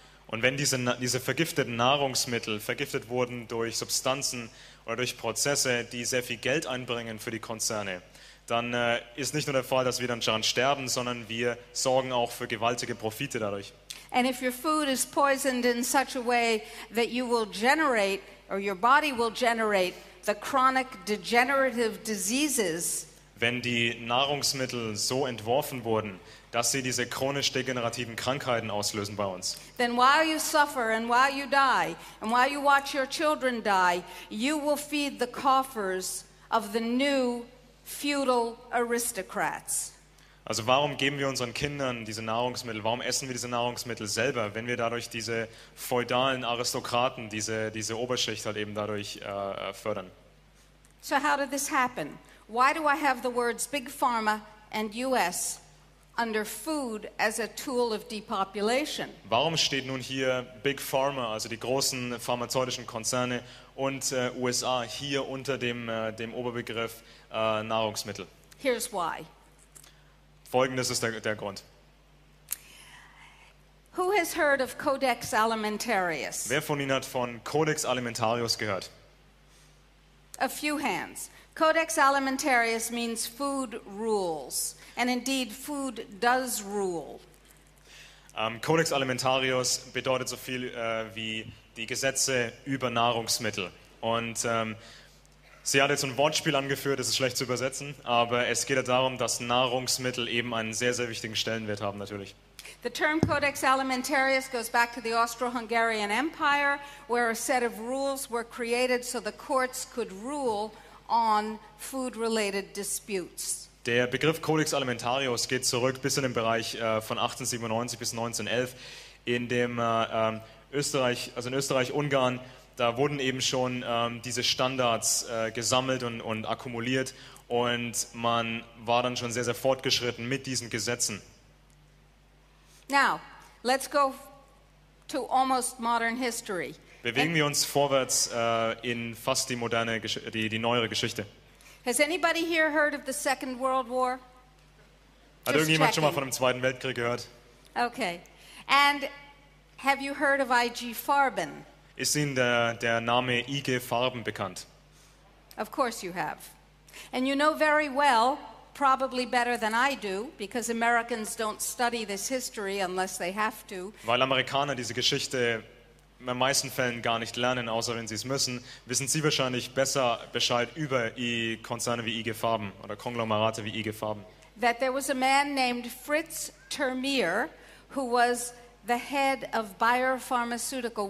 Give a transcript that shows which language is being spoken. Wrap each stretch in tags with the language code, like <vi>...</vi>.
<de>Und wenn diese vergifteten Nahrungsmittel vergiftet wurden durch Substanzen oder durch Prozesse, die sehr viel Geld einbringen für die Konzerne, dann ist nicht nur der Fall, dass wir dann daran sterben, sondern wir sorgen auch für gewaltige Profite dadurch.</de> <en>And if your food is poisoned in such a way that you will generate or your body will generate the chronic degenerative diseases.</en> <de>Wenn die Nahrungsmittel so entworfen wurden, dass sie diese chronisch degenerativen Krankheiten auslösen bei uns.</de> <en>Then while you suffer and while you die and while you watch your children die, you will feed the coffers of the new feudal aristocrats.</en> <de>Also warum geben wir unseren Kindern diese Nahrungsmittel? Warum essen wir diese Nahrungsmittel selber, wenn wir dadurch diese feudalen Aristokraten, diese Oberschicht halt eben dadurch fördern?</de> <en>So how did this happen? Why do I have the words Big Pharma and US under food as a tool of depopulation?</en> <de>Warum steht nun hier Big Pharma, also die großen pharmazeutischen Konzerne und USA hier unter dem dem Oberbegriff Nahrungsmittel?</de> <en>Here's why.</en> <de>Folgendes ist der Grund.</de> <en>Who has heard of Codex Alimentarius?</en> <de>Wer von Ihnen hat von Codex Alimentarius gehört?</de> <en>A few hands. Codex Alimentarius means food rules, and indeed food does rule.</en> <de>Codex Alimentarius bedeutet so viel wie die Gesetze über Nahrungsmittel. Und sie hat jetzt ein Wortspiel angeführt, das ist schlecht zu übersetzen, aber es geht ja darum, dass Nahrungsmittel eben einen sehr, sehr wichtigen Stellenwert haben natürlich.</de> <en>The term Codex Alimentarius goes back to the Austro-Hungarian Empire, where a set of rules were created so the courts could rule on food-related disputes.</en> <de>Der Begriff Codex Alimentarius geht zurück bis in den Bereich von 1897 bis 1911, in dem Österreich, also in Österreich-Ungarn, da wurden eben schon diese Standards gesammelt und akkumuliert, und man war dann schon sehr, sehr fortgeschritten mit diesen Gesetzen.</de> <en>Now, let's go to almost modern history.</en> <de>Bewegen wir uns vorwärts in fast die moderne, die neuere Geschichte.</de> <en>Has anybody here heard of the Second World War?</en> <de>Hat irgendjemand schon mal von dem Zweiten Weltkrieg gehört?</de> <en>Okay. And have you heard of IG Farben?</en> <de>Ist Ihnen der Name IG Farben bekannt?</de> <en>Of course you have. And you know very well, probably better than I do, because Americans don't study this history unless they have to.</en> <de>Weil Amerikaner diese Geschichte in den meisten Fällen gar nicht lernen, außer wenn sie es müssen, wissen Sie wahrscheinlich besser Bescheid über Konzerne wie IG Farben oder Konglomerate wie IG Farben.</de> <en>That there was a man named Fritz Termeer, who was the head of Bayer Pharmaceutical.</en>